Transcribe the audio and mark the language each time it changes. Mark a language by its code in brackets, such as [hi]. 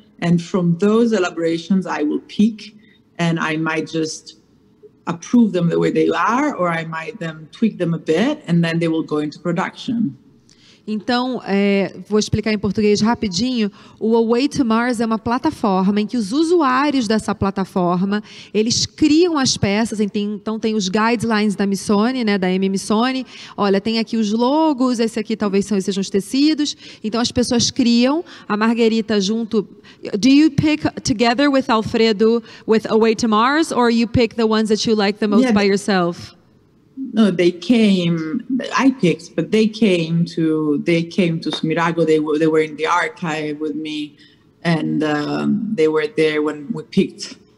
[en] And from those elaborations, I will pick, and I might just approve them the way they are, or I might then tweak them a bit, and then they will go into production. [pt] Então, vou explicar em português rapidinho. O A Way to Mars é uma plataforma em que os usuários dessa plataforma, eles criam as peças, então tem os guidelines da Missoni, né, da MMissoni. Olha, tem aqui os logos, esse aqui talvez sejam os tecidos. Então, as pessoas criam, a Margherita junto... [en] Do you pick together with Alfredo with A Way to Mars, or you pick the ones that you like the most by yourself? No, they came to Sumirago. They were in the archive with me, and they were there when we picked.